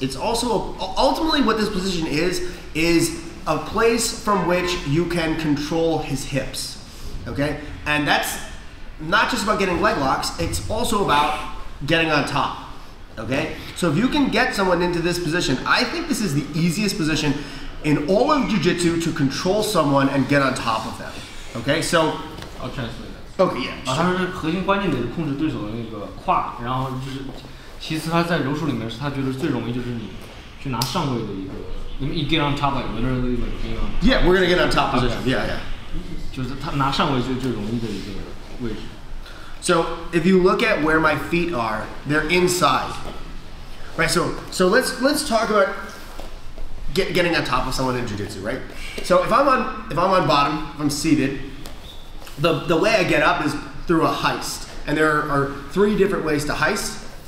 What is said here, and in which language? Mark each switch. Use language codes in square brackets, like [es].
[en] It's also, ultimately what this position is a place from which you can control his hips, okay? And that's not just about getting leg locks, it's also about getting on top. Okay? So if you can get someone into this position, I think this is the easiest position in all of jiu-jitsu to control someone and get on top of them. Okay? So I'll translate that. Okay, yeah. [zh] 他是核心关键点控制对手的那个胯，然后就是其次他在柔术里面是他觉得最容易就是你去拿上位的一个，你 [en] get on top of it, literally like get on top. Yeah, we're going to get on top position. Okay. Yeah, yeah. [zh] 就是他拿上位就最容易的一个位置。 [en] So if you look at where my feet are, they're inside, right? So let's talk about getting on top of someone in jiu-jitsu, right? So if I'm on bottom, if I'm seated, the way I get up is through a heist, and there are three different ways to heist.